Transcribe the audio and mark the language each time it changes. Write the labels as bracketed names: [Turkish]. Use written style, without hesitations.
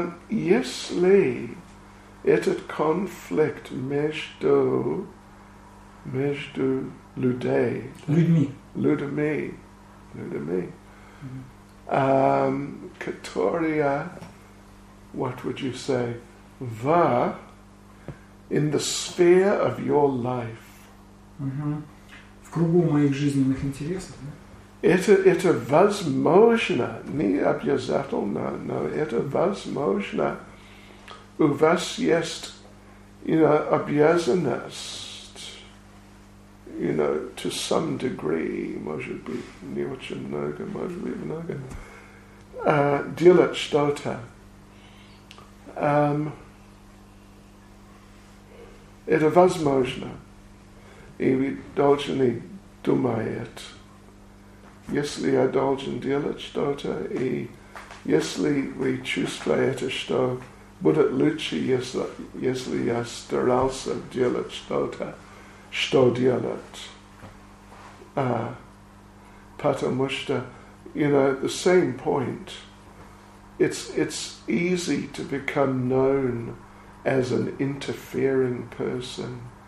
[Russian] Если этот конфликт между людей... Людьми, которые, [English] what would you say, [Russian] в, [English] in the sphere of your life. [Russian] В кругу моих жизненных интересов, да? Это возможно, не обязательно, но это возможно. У вас есть, [English] you know, [Russian] обязанность. [English] You know, to some degree, [Russian] может быть, не очень много, может быть, много, делать что-то. Это возможно. И вы должны думать, если я должен делать что-то, и если вы чувствуете, что будет лучше, если я старался делать что-то. Что делать? Потому что, [English] you know, at the same point, it's easy to become known as an interfering person.